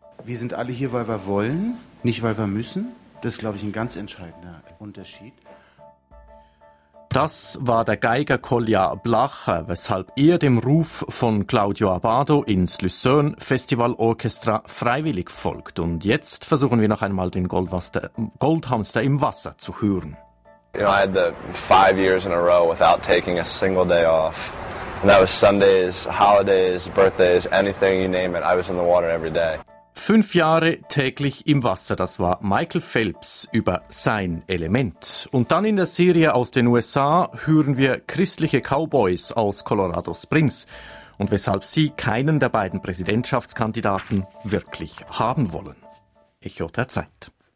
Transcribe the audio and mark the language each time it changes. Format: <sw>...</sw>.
<de>Wir sind alle hier, weil wir wollen, nicht weil wir müssen. Das ist, glaube ich, ein ganz entscheidender Unterschied. Das war der Geiger Kolja Blacher, weshalb er dem Ruf von Claudio Abbado ins Luzern Festival Orchestra freiwillig folgt. Und jetzt versuchen wir noch einmal den Goldhamster im Wasser zu hören.</de> <en>You know, I had the 5 years in a row without taking a single day off. And that was Sundays, holidays, birthdays, anything you name it. I was in the water every day.</en> <de>5 Jahre täglich im Wasser, das war Michael Phelps über sein Element. Und dann in der Serie aus den USA hören wir christliche Cowboys aus Colorado Springs und weshalb sie keinen der beiden Präsidentschaftskandidaten wirklich haben wollen. Echo der Zeit.</de>